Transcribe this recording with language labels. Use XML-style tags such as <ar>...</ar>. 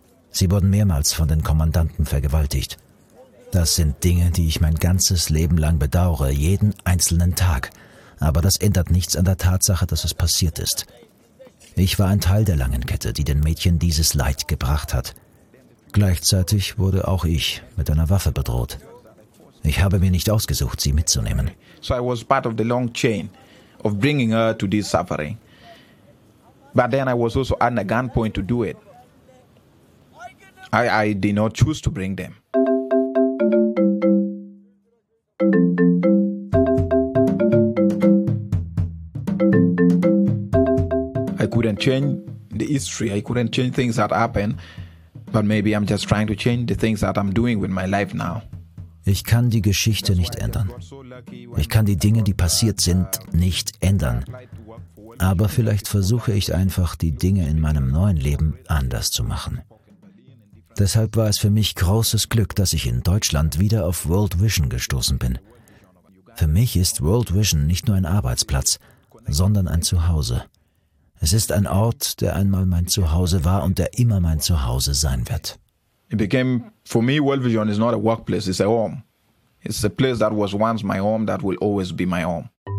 <de>Sie wurden mehrmals von den Kommandanten vergewaltigt. Das sind Dinge, die ich mein ganzes Leben lang bedauere, jeden einzelnen Tag. Aber das ändert nichts an der Tatsache, dass es passiert ist. Ich war ein Teil der langen Kette, die den Mädchen dieses Leid gebracht hat. Gleichzeitig wurde auch ich mit einer Waffe bedroht. Ich habe mir nicht ausgesucht, sie mitzunehmen.</de> <en>So I was part of the long chain of bringing her to this suffering. But then I was also under gunpoint to do it. I did not choose to bring them. I couldn't change the history. I couldn't change things that happened. But maybe I'm just trying to change the things that I'm doing with my life now.</en> <de>Ich kann die Geschichte nicht ändern. Ich kann die Dinge, die passiert sind, nicht ändern. Aber vielleicht versuche ich einfach, die Dinge in meinem neuen Leben anders zu machen. Deshalb war es für mich großes Glück, dass ich in Deutschland wieder auf World Vision gestoßen bin. Für mich ist World Vision nicht nur ein Arbeitsplatz, sondern ein Zuhause. Es ist ein Ort, der einmal mein Zuhause war und der immer mein Zuhause sein wird.</de> <en>It became, for me, World Vision is not a workplace, it's a home. It's a place that was once my home, that will always be my home.</en>